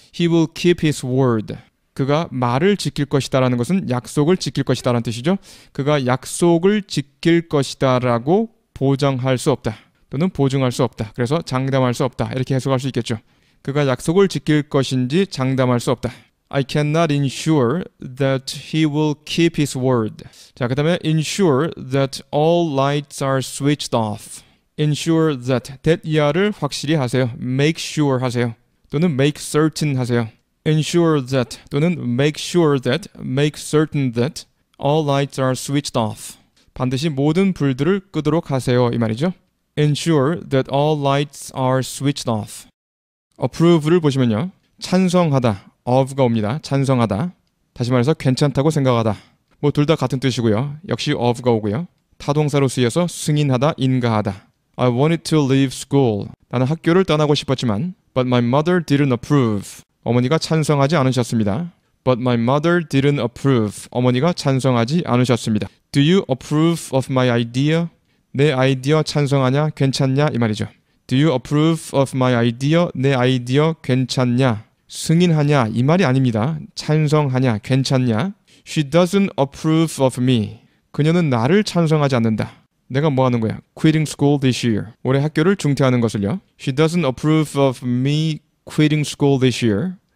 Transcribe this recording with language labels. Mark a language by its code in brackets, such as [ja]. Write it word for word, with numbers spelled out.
[en] He will keep his word. [ko] 그가 말을 지킬 것이다 라는 것은 약속을 지킬 것이다 라는 뜻이죠. 그가 약속을 지킬 것이다 라고 보장할 수 없다 또는 보증할 수 없다. 그래서 장담할 수 없다 이렇게 해석할 수 있겠죠. 그가 약속을 지킬 것인지 장담할 수 없다. [en] I cannot ensure that he will keep his word. [ko] 자, 그 다음에 [en] ensure that all lights are switched off. ensure that, that [ko] 이하를 확실히 하세요. [en] make sure [ko] 하세요. 또는 [en] make certain [ko] 하세요. [en] ensure that 또는 make sure that, make certain that all lights are switched off. [ko] 반드시 모든 불들을 끄도록 하세요. 이 말이죠. [en] ensure that all lights are switched off. [ko] approve를 보시면요. 찬성하다. of가 옵니다. 찬성하다. 다시 말해서 괜찮다고 생각하다. 뭐 둘 다 같은 뜻이고요. 역시 of가 오고요. 타동사로 쓰여서 승인하다, 인가하다. [en] I wanted to leave school. [ko] 나는 학교를 떠나고 싶었지만 [en] But my mother didn't approve. [ko] 어머니가 찬성하지 않으셨습니다. [en] But my mother didn't approve. [ko] 어머니가 찬성하지 않으셨습니다. [en] Do you approve of my idea? [ko] 내 아이디어 찬성하냐? 괜찮냐? 이 말이죠. [en] Do you approve of my idea? [ko] 내 아이디어 괜찮냐? 승인하냐? 이 말이 아닙니다. 찬성하냐? 괜찮냐? [en] She doesn't approve of me. [ko] 그녀는 나를 찬성하지 않는다. 내가 뭐 하는 거야? [en] Quitting school this year. [ko] 올해 학교를 중퇴하는 것을요. [en] She doesn't approve of me quitting school this year.